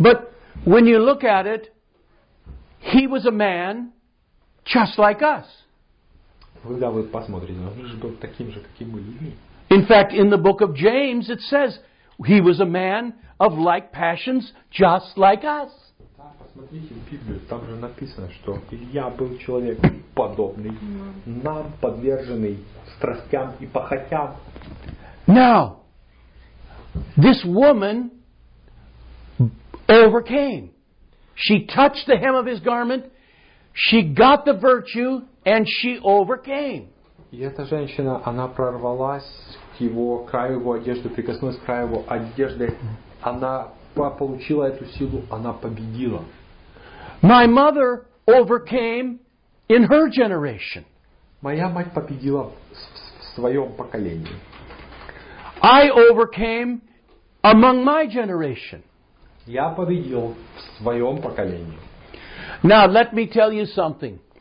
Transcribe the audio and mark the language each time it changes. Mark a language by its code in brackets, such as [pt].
[en] But when you look at it, he was a man just like us. [ru] Когда вы посмотрите, он же был таким же, каким мы люди. [en] In fact, in the book of James, it says he was a man of like passions, just like us. [ru] Там, посмотрите в Библию, там же написано, что Илья был человек подобный, нам подверженный страстям и похотям. [en] Now, this woman overcame. She touched the hem of his garment. She got the virtue, and she overcame. [ru] И эта женщина, она прорвалась к его краю его одежды, прикоснулась к краю его одежды. Она получила эту силу, она победила. [en] My mother overcame in her generation. [ru] Моя мать победила в своем поколении. [en] I overcame among my generation. [ru] Я победил в своем поколении. [en] Now let me tell you something.